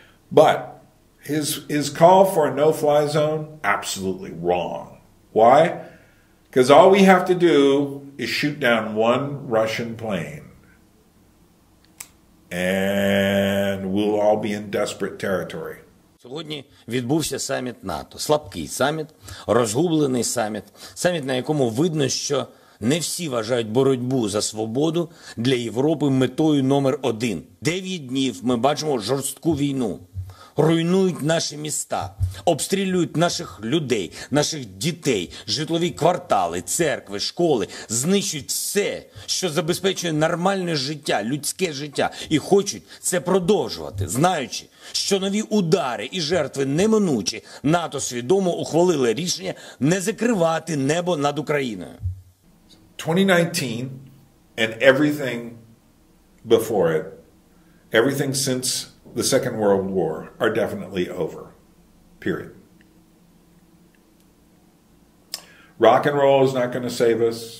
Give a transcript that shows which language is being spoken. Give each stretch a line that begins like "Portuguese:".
English: But his call for a no-fly zone, absolutely wrong. Why? Because all we have to do is shoot down one Russian plane, and we'll all be in desperate territory.
Ukrainian: Сьогодні відбувся саміт НАТО. Слабкий саміт, розгублений саміт. Саміт, на якому видно, що не всі вважають боротьбу за свободу для Європи метою номер один. 9 днів ми бачимо жорстку війну. руйнують наші міста, обстрілюють наших людей, наших дітей, житлові квартали, церкви, школи, знищують все, що забезпечує нормальне життя, людське життя, і хочуть це продовжувати, знаючи, що нові удари і жертви неминучі, НАТО свідомо ухвалили рішення не закривати небо над Україною.
English: 2019 and everything before it, everything since the Second World War, are definitely over. Period. Rock and roll is not going to save us.